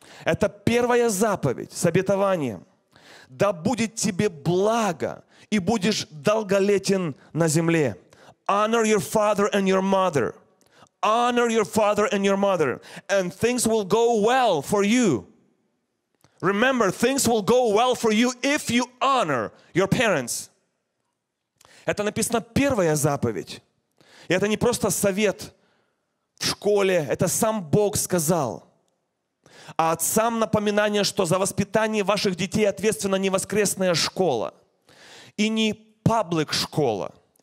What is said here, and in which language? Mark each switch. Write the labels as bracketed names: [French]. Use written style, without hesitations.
[Russian] Это первая заповедь с обетованием. Да будет тебе благо, и будешь долголетен на земле. [English] Honor your father and your mother. Honor your father and your mother, and things will go well for you. Remember, things will go well for you if you honor your parents. [Russian] Это написано первая заповедь. И это не просто совет в школе, это сам Бог сказал. А отцам напоминание, что за воспитание ваших детей ответственна не воскресная школа и не паблик школа.